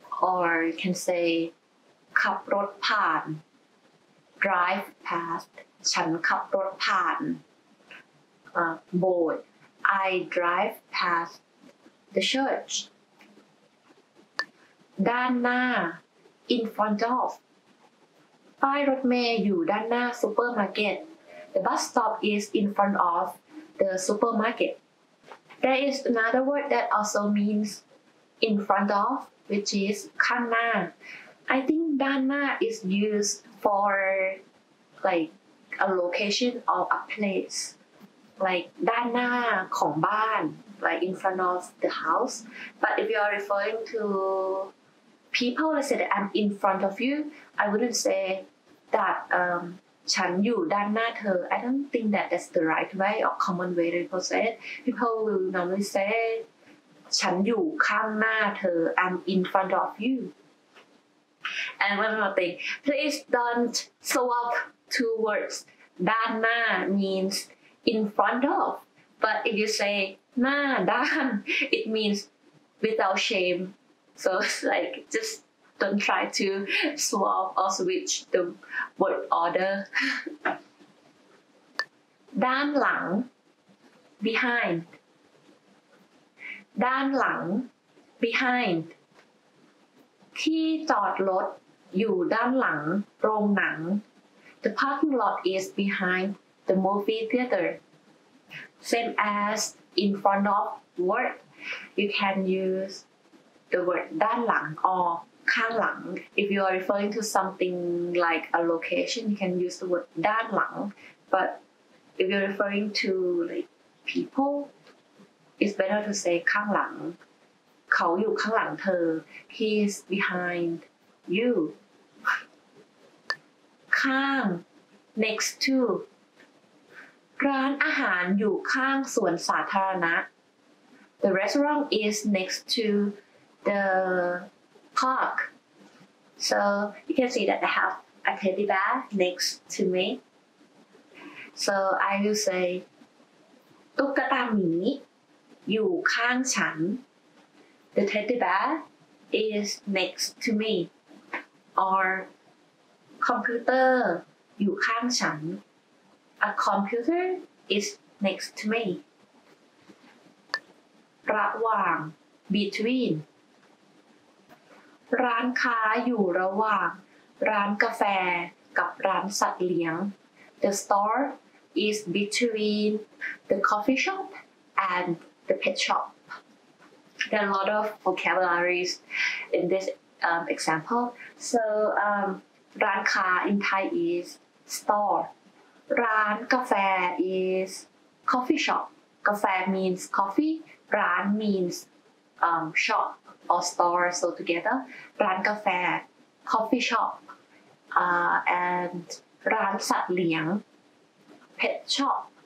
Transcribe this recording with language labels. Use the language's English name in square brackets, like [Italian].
[English] or you can say [Thai] ขับรถผ่าน [English] drive past [Thai] ฉันขับรถผ่านโบสถ์ [English] I drive pastThe church. ด้านหน้า in front of. [Thai] ป้ายรถเมล์อยู่ด้านหน้า supermarket. [English] The bus stop is in front of the supermarket. There is another word that also means in front of, which is ข้างหน้า. I think ด้านหน้า is used for like a location or a place. Like [Thai] ด้านหน้าของบ้าน [English] Like in front of the house, but if you are referring to people, let's say that I'm in front of you, I wouldn't say that [Thai] ฉันอยู่ด้านหน้าเธอ [English] I don't think that that's the right way or common way to say it. People will normally say [Thai] ฉันอยู่ข้างหน้าเธอ [English] I'm in front of you. And one more thing, please don't swap two words. ด้านหน้า means in front of, but if you sayหน้าด้าน it means without shame so like just don't try to swap or switch the word order ด้านหลัง behind ด้านหลัง behind [Thai] ที่จอดรถอยู่ด้านหลังโรงหนัง [English] the parking lot is behind the movie theater same asIn front of word, you can use the word ด้านหลัง or ข้างหลัง. If you are referring to something like a location, you can use the word ด้านหลัง. But if you're referring to like people, it's better to say ข้างหลัง. [Thai] เขาอยู่ข้างหลังเธอ. [English] He is behind you. ข้าง. Next to. [Thai] ร้านอาหารอยู่ข้างสวนสาธารณะ [English] The restaurant is next to the park. So you can see that I have a teddy bear next to me. So I will say [Thai] ตุ๊กตาหมีอยู่ข้างฉัน [English] The teddy bear is next to me. Or computer [Thai] อยู่ข้างฉัน [English] A computer is next to me. ระหว่าง between. [Thai] ร้านค้าอยู่ระหว่างร้านกาแฟกับร้านสัตว์เลี้ยง [English] The store is between the coffee shop and the pet shop. There are a lot of vocabularies in this example. So, ร้านค้า in Thai is store. ร้านกาแฟ is coffee shop. กาแฟ means coffee. ร้าน means shop or store. So together, ร้านกาแฟ coffee shop. And ร้านสัตว์เลี้ยง pet shop.